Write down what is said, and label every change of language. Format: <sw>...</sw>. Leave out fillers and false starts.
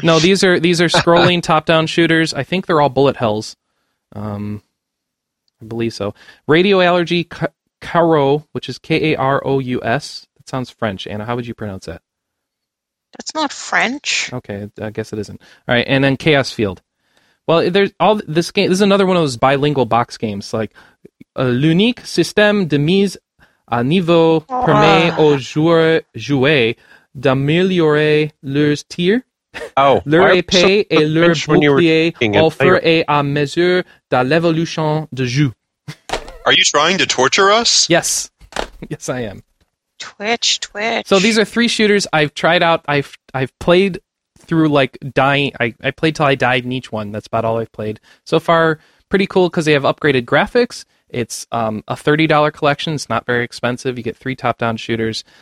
<en>No, these are scrolling top-down shooters. I think they're all bullet hells. I believe so. Radio Allergy... Carous, which is K-A-R-O-U-S. That sounds French. Anna, how would you pronounce that? That's not French. Okay, I guess it isn't. All right, and then Chaos Field. Well, there's all this game. This is another one of those bilingual box games, like</en> <fr>L'unique système de mise à niveau permet aux joueurs d'améliorer leurs tirs. Oh, leur épée et leur bouclier au fur et à mesure de l'évolution de jeu.</fr> <en>Are you trying to torture us? Yes. Yes, I am. Twitch. So these are three shooters I've tried out. I've played through like dying. I played till I died in each one. That's about all I've played. So far, pretty cool because they have upgraded graphics. It's a $30 collection. It's not very expensive. You get three top-down shooters.</en>